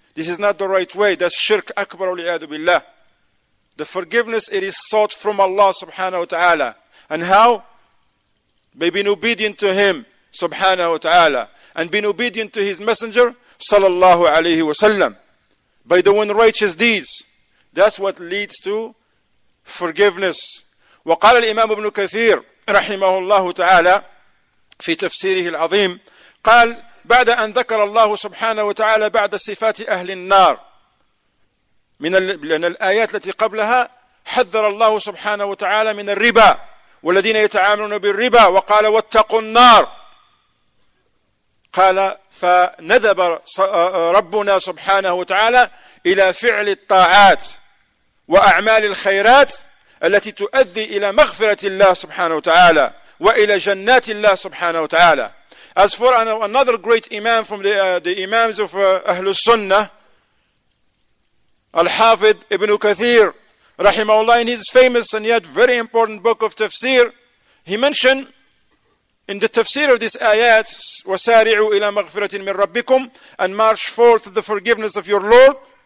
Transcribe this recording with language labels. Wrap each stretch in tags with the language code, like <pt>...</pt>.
<en>This is not the right way. That's shirk akbar wal'iyadu billah. The forgiveness, it is sought from Allah subhanahu wa ta'ala. And how? By being obedient to him subhanahu wa ta'ala, and being obedient to his messenger sallallahu alayhi wa sallam, by doing righteous deeds. That's what leads to forgiveness.</en> <ar>وقال الإمام ابن كثير رحمه الله تعالى في تفسيره العظيم قال بعد أن ذكر الله سبحانه وتعالى بعد صفات أهل النار من الآيات التي قبلها حذر الله سبحانه وتعالى من الربا والذين يتعاملون بالربا وقال واتقوا النار. قال فندب ربنا سبحانه وتعالى إلى فعل الطاعات وأعمال الخيرات التي تؤدي إلى مغفرة الله سبحانه وتعالى وإلى جنات الله سبحانه وتعالى.</ar> <en>As for another great imam from the imams of أهل السنة, الحافظ ابن كثير rahimahullah, in his famous and yet very important book of tafsir, he mentioned in the tafsir of this ayat,</en> <ar>وَسَارِعُوا إِلَى مَغْفِرَةٍ مِنْ رَبِّكُمْ,</ar> <en>and march forth the forgiveness of your Lord.</en>